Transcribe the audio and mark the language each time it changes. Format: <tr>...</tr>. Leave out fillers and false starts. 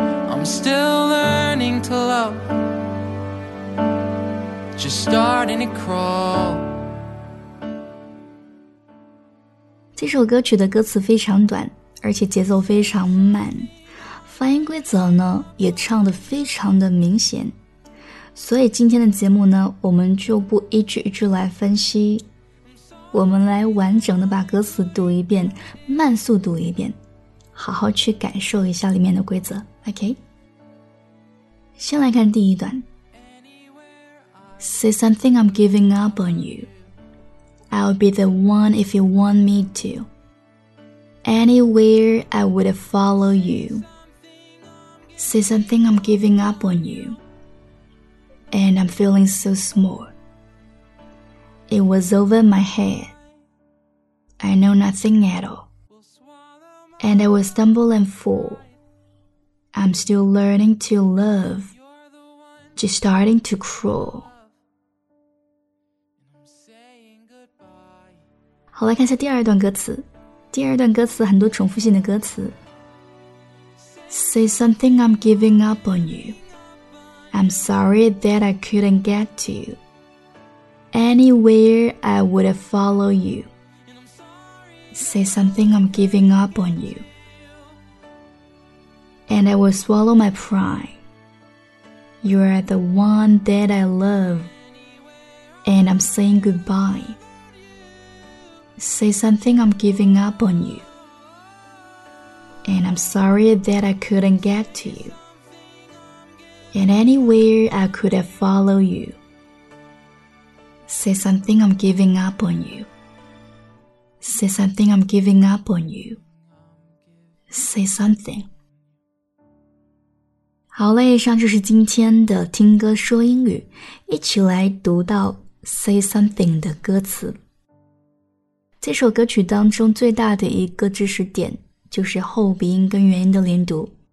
<en>I'm still learning to love, just starting to crawl.</en> <zh>这首歌曲的歌词非常短，而且节奏非常慢，发音规则呢也唱得非常的明显，所以今天的节目呢我们就不一句一句来分析，我们来完整的把歌词读一遍，慢速读一遍，好好去感受一下里面的规则。 OK， 先来看第一段。</zh> <en>Say something, I'm giving up on you. I'll be the one if you want me to. Anywhere I would follow you. Say something, I'm giving up on you. And I'm feeling so small. It was over my headI know nothing at all. And I will stumble and fall. I'm still learning to love. Just starting to crawl.</en> <zh>好，来看一下第二段歌词。第二段歌词很多重复性的歌词。</zh> <en>Say something, I'm giving up on you. I'm sorry that I couldn't get to you. Anywhere I would follow you. Say something, I'm giving up on you. And I will swallow my pride. You are the one that I love. And I'm saying goodbye. Say something, I'm giving up on you. And I'm sorry that I couldn't get to you. And anywhere I could have followed you. Say something, I'm giving up on you. Say something, I'm giving up on you. Say something.</en> <zh>好嘞，以上就是今天的听歌说英语，一起来读到 Say something 的歌词。这首歌曲当中最大的一个知识点就是后鼻音跟元音的连读。</zh>